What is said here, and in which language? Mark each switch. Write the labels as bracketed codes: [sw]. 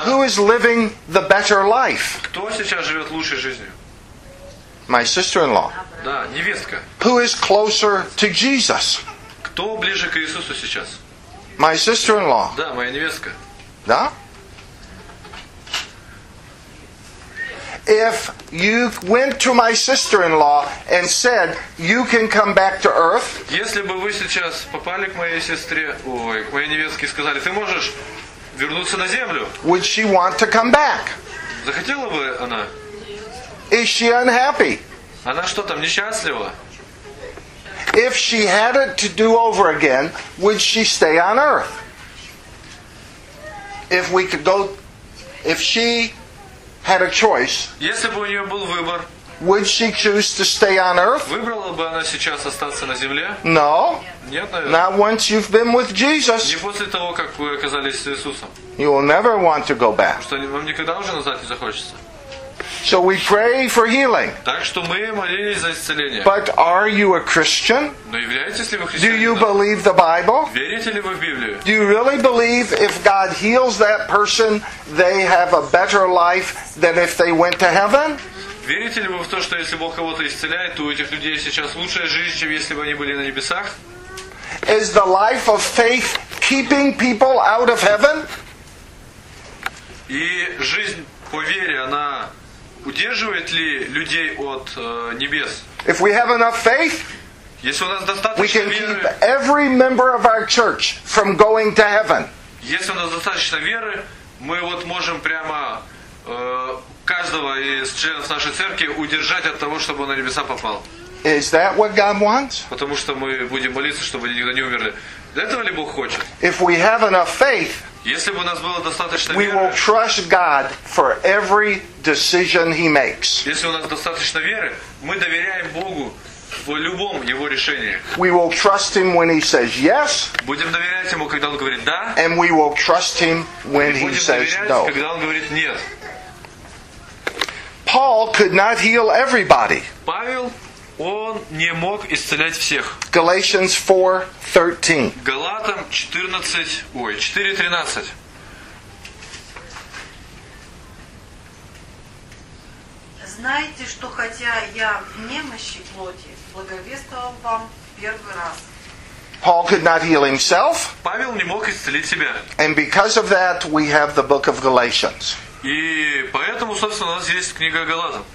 [en] Who is living the better life? [ru] Кто сейчас живет лучшей жизнью? [en] My sister-in-law. [ru] Да, невестка. [en] Who is closer to Jesus? [ru] Кто ближе к Иисусу сейчас? [en] My sister-in-law. [ru] Да, моя невестка. Да? [en] If you went to my sister-in-law and said you can come back to earth, [ru] если бы вы сейчас попали к моей сестре, к моей невестке, сказали, ты можешь вернуться на землю? [en] Would she want to come back? [ru] Захотела бы она? [en] Is she unhappy? [ru] Она что там несчастлива? [en] If she had it to do over again, would she stay on earth? If we could go, if she had a choice, [ru] если бы у нее был выбор, [en] would she choose to stay on earth? [ru] Выбрала бы она сейчас остаться на земле? [en] No. [ru] Нет, наверное. [en] Not once you've been with Jesus. [ru] Не после того, как вы оказались с Иисусом. [en] You will never want to go back. [ru] Что, вам никогда уже назад не захочется? [en] So we pray for healing. [ru] Так что мы молились за исцеление. [en] But are you a Christian? [ru] Но являетесь ли вы христианином? [en] Do you believe the Bible? [ru] Верите ли вы в Библию? [en] Do you really believe if God heals that person, they have a better life than if they went to heaven? [ru] Верите ли вы в то, что если Бог кого-то исцеляет, то у этих людей сейчас лучшая жизнь, чем если бы они были на небесах? [en] Is the life of faith keeping people out of heaven? [ru] И жизнь по вере, она удерживает ли людей от небес? [en] If we have enough faith, [ru] если у нас достаточно [en] we can keep every member of our church from going to heaven. [ru] Если у нас достаточно веры, мы вот можем прямо каждого из членов нашей церкви удержать от того, чтобы он на небеса попал. [en] Is that what God wants? [ru] Потому что мы будем молиться, чтобы они никогда не умерли. Для этого ли Бог хочет? [en] If we have enough faith, [ru] если бы у нас было достаточно [en] we [ru] веры, [en] will trust God for every decision He makes. [ru] Если у нас достаточно веры, мы доверяем Богу в любом Его решении. [en] We will trust Him when He says yes. [ru] Будем доверять Ему, когда Он говорит да. [en] And we will trust Him when He says no. [ru] Будем доверять, когда Он говорит нет. [en] Paul could not heal everybody. [ru] Павел, он не мог исцелять всех. [en] Galatians 4:13. [ru] Галатам 4:13. Знаете, что хотя я в немощи плоти, благовествовал вам первый раз. [en] Paul could not heal himself. [ru] Павел не мог исцелить себя. [en] And because of that, we have the book of Galatians. [ru] И поэтому, собственно, у нас есть книга Галатам.